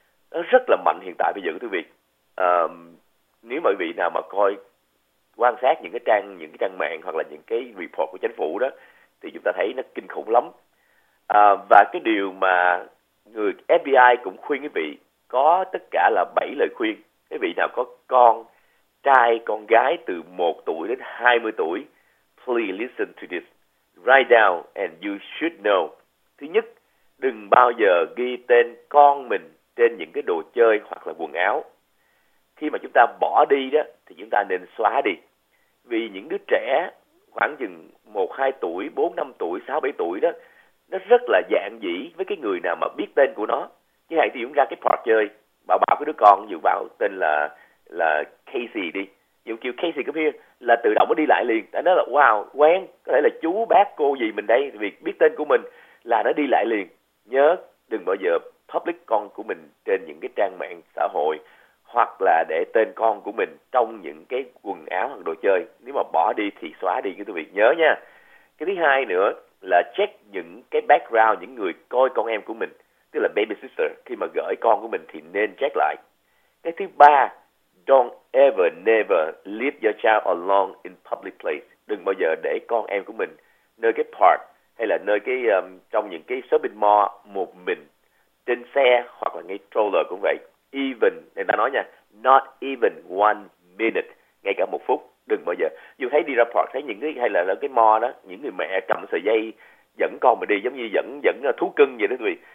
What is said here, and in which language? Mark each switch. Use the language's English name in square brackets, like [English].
[Vietnamese] Nó rất là mạnh hiện tại bây giờ, thưa quý vị. Nếu mọi vị nào mà coi, quan sát những cái trang mạng hoặc là những cái report của chính phủ đó, thì chúng ta thấy nó kinh khủng lắm. Và cái điều mà người FBI cũng khuyên quý vị, có tất cả là 7 lời khuyên. Quý vị nào có con trai, con gái từ 1 tuổi đến 20 tuổi, [English] please listen to this. Write down and you should know. [Vietnamese] Thứ nhất, đừng bao giờ ghi tên con mình trên những cái đồ chơi hoặc là quần áo. Khi mà chúng ta bỏ đi đó, thì chúng ta nên xóa đi. Vì những đứa trẻ khoảng chừng 1, 2 tuổi, 4, 5 tuổi, 6, 7 tuổi đó, nó rất là dạng dĩ với cái người nào mà biết tên của nó. Chứ hãy tìm ra cái park chơi, bảo cái đứa con, dù bảo tên là Casey đi. Dù kêu Casey [English] come here, [Vietnamese] là tự động nó đi lại liền. Nó nói là wow, quen, có thể là chú, bác, cô gì mình đây, vì biết tên của mình là nó đi lại liền. Nhớ, đừng bao giờ public con của mình trên những cái trang mạng xã hội, hoặc là để tên con của mình trong những cái quần áo hoặc đồ chơi. Nếu mà bỏ đi thì xóa đi, các quý vị nhớ nha. Cái thứ hai nữa là check những cái background, những người coi con em của mình, tức là baby sister, khi mà gửi con của mình thì nên check lại. Cái thứ ba, [English] don't ever, never leave your child alone in public place. [Vietnamese] Đừng bao giờ để con em của mình nơi cái park, hay là nơi cái trong những cái shopping mall một mình, trên xe hoặc là ngay stroller cũng vậy. Even, người ta nói nha, [English] not even one minute, [Vietnamese] ngay cả một phút, đừng bao giờ. Dù thấy đi ra park, thấy những cái, hay là cái mall đó, những người mẹ cầm sợi dây dẫn con mà đi, giống như dẫn thú cưng vậy đó, tụi.